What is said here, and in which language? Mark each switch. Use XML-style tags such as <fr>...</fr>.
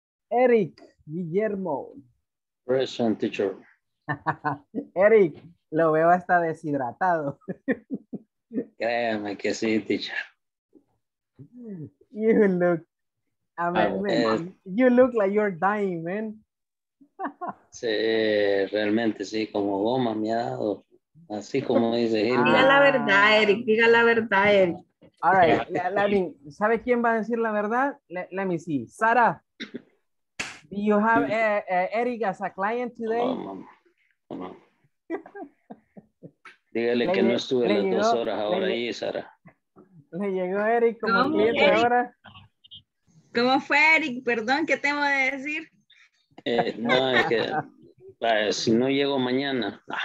<es>Eric Guillermo.</es> <en>Present, teacher.</en> <es>Eric. Lo veo hasta deshidratado. Créeme que sí, teacher.</es> <en>You look, I mean, man, you look like you're dying, man.</en> <es>Sí, realmente sí, como goma me ha dado. Así como dice Gilbert. Diga la verdad, Eric, diga la verdad, Eric.</es> <en>All right, let me,</en> <es>¿sabe quién va a decir la verdad?</es> <en>Let me see. Sara, do you have Eric as a client today?</en> <es>No, no. Dígale que no estuve las dos horas ahora ahí, Sara. Le llegó Eric como cliente ahora. ¿Cómo fue, Eric? Perdón, ¿qué tengo de decir? No, es que si no llego mañana.</es>